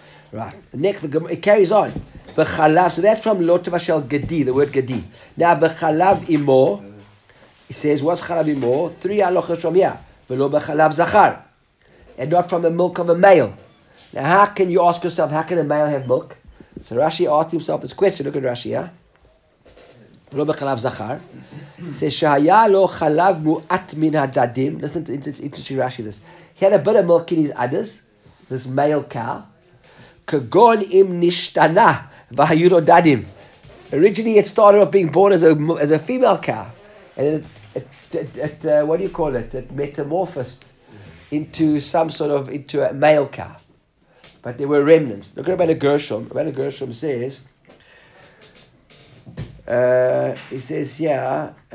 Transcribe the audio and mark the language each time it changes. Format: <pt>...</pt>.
<en>Right. Next, it carries on. Bechalav. So that's from Lotav Hashel Gedi. The word Gedi. Now bechalav imo. He says, what's chalav imo? Three halachos from here.</en> <he>Velo bechalav zachar,</he> <en>and not from the milk of a male. Now, how can you ask yourself? How can a male have milk? So Rashi asked himself this question. Look at Rashi. Yeah.</en> <he>ולא בחלב זכר. זה שהיה לו חלב מועט מן הדדים.</he> <en>Listen to the interesting Rashi this. He had a bit of milk in his udders, this male cow.</en> <he>כגון אם נשתנה והיו לו דדים.</he> <en>Originally it started off being born as a female cow. And what do you call it? It metamorphosed into some sort of, into a male cow. But there were remnants. Look at Rabbi Gershom. Rabbi Gershom says, he says, yeah.</en>